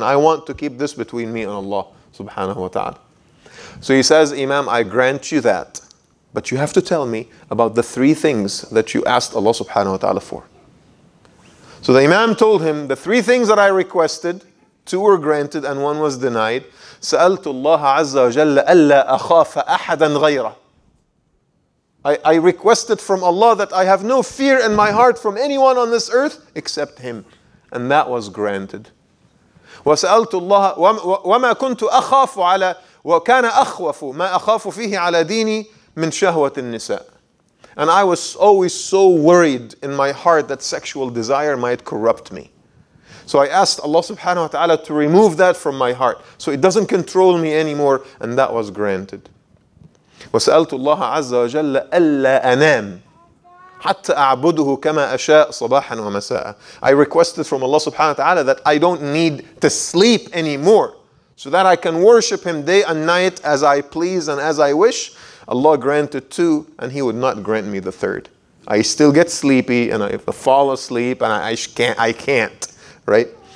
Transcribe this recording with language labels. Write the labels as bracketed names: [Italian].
[English] I want to keep this between me and Allah subhanahu wa ta'ala. So he says, Imam, I grant you that, but you have to tell me about the three things that you asked Allah subhanahu wa ta'ala for. So the Imam told him, the three things that I requested, two were granted and one was denied. [Arabic] سألت الله عز وجل ألا أخاف أحدا غيره. [English] I requested from Allah that I have no fear in my heart from anyone on this earth except Him, and that was granted. [Arabic] وسألت الله وما كنت أخاف على وكان أخوف ما أخاف فيه على ديني من شهوة النساء. [English] And I was always so worried in my heart that sexual desire might corrupt me. So I asked Allah subhanahu wa ta'ala to remove that from my heart so it doesn't control me anymore, and that was granted. [Arabic] وَسَأَلْتُ اللَّهَ عَزَّ وَجَلَّ أَلَّا أَنَامُ حَتَّى أَعْبُدُهُ كَمَا أَشَاءُ صَبَاحًا وَمَسَاءً. [English] I requested from Allah subhanahu wa ta'ala that I don't need to sleep anymore so that I can worship Him day and night as I please and as I wish. Allah granted two, and He would not grant me the third. I still get sleepy and I fall asleep and I can't. Right?